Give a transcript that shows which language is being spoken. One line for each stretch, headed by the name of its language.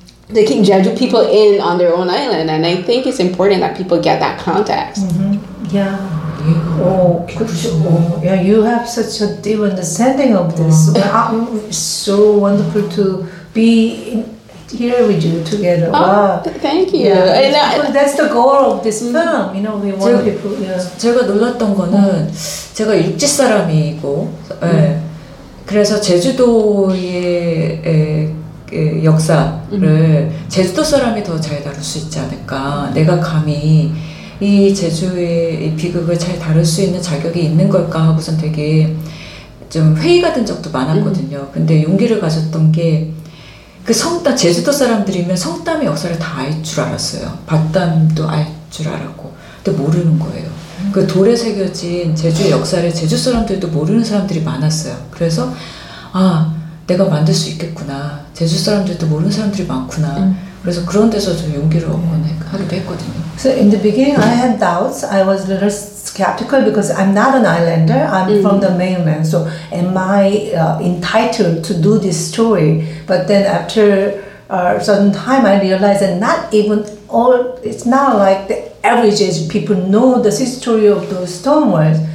English: They can judge people in on their own island, and I think it's important that people get that context. You have such a deep understanding of this. It's so wonderful to be here with you together. Thank you. That's the goal of this film. You know, we want people. Yeah.
Korean: 제가 놀랐던 거는 제가 육지 사람이고 그래서 제주도에 그 역사를 제주도 사람이 더 잘 다룰 수 있지 않을까. 내가 감히 이 제주의 비극을 잘 다룰 수 있는 자격이 있는 걸까 하고선 되게 좀 회의가 든 적도 많았거든요. 근데 용기를 가졌던 게 그 성담, 제주도 사람들이면 성담의 역사를 다 알 줄 알았어요. 밭담도 알 줄 알았고. 근데 모르는 거예요. 그 돌에 새겨진 제주의 역사를 제주 사람들도 모르는 사람들이 많았어요. 그래서 아, 내가 만들 수 있겠구나. 제주 사람들도 모르는 사람들이 많구나. 그래서 그런 데서 좀 용기를 얻곤 하기도 했거든요.
English: So in the beginning, I had doubts. I was a little skeptical because I'm not an islander. I'm from the mainland. So am I entitled to do this story? But then after a certain time, I realized that not even all, it's not like the average people know the history of the stone walls.